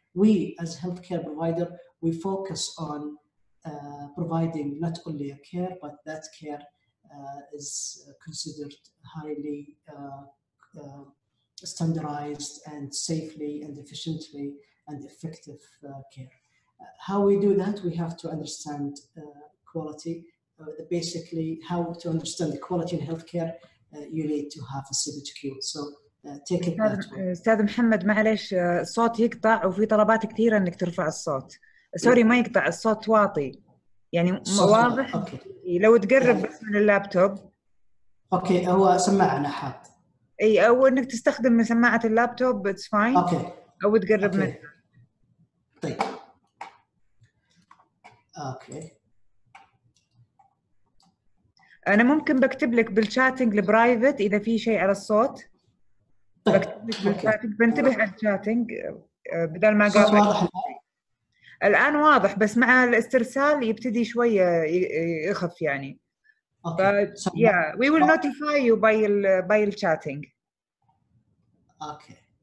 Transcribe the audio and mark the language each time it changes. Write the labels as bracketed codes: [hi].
[en] We, as healthcare provider, we focus on providing not only a care, but that care is considered highly standardized and safely and efficiently and effective care. How we do that? We have to understand quality. Basically, how to understand the quality in healthcare, you need to have a CPHQ. So take it that way. [ar] أستاذ محمد معلش صوت يقطع وفي طلبات كثيرة أنك ترفع الصوت. سوري ما يقطع الصوت واطي. يعني واضح okay. لو تقرب yeah. من اللابتوب اوكي okay. هو سماعنا حاط اي او انك تستخدم من سماعه اللابتوب [en] it's fine [ar] اوكي او تقرب okay. منه طيب اوكي [en] okay. [ar] انا ممكن بكتب لك بالشاتنج البرايفت اذا في شيء على الصوت طيب. بكتب لك بالشاتنج okay. بنتبه على الشاتنج بدل ما قاطع الآن واضح بس مع الاسترسال يبتدي شوية يخف يعني. [en] Okay. Yeah, we will notify you by the chatting. Okay.